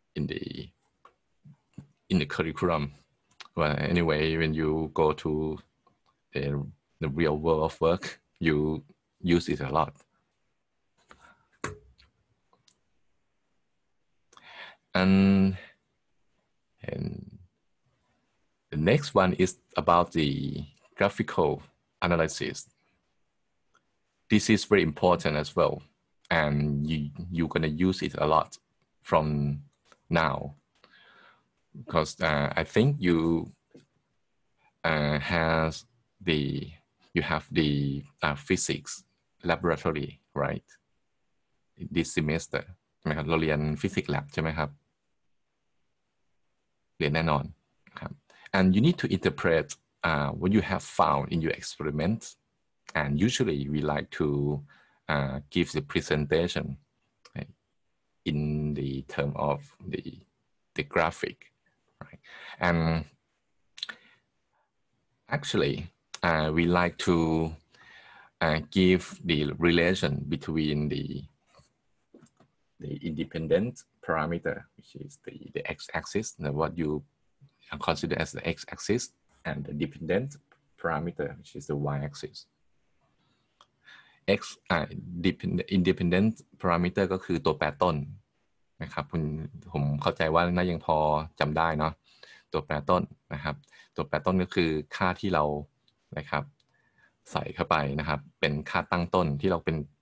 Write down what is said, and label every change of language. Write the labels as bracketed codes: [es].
[en] the curriculum well anyway when you go to the real world of work you use it a lot and The next one is about the graphical analysis. This is very important as well, and you're going to use it a lot from now, because I think you has the you have the physics laboratory, right? This semester, [th] ใช่ไหมครับ เราเรียน physics lab ใช่ไหมครับ เรียนแน่นอน ครับ [en] And you need to interpret what you have found in your experiment. And usually we like to give the presentation right, in the term of the graphic. Right? And actually, we like to give the relation between the independent parameter, which is the x-axis, and what you consider as the x-axis, and the dependent parameter, which is the y-axis. X independent parameter [th] ก็คือตัวแปรต้นนะครับผมเข้าใจว่าน่ายังพอจำได้เนาะตัวแปรต้นนะครับตัวแปรต้นก็คือค่าที่เรานะครับใส่เข้าไปนะครับเป็นค่าตั้งต้นที่เราเป็น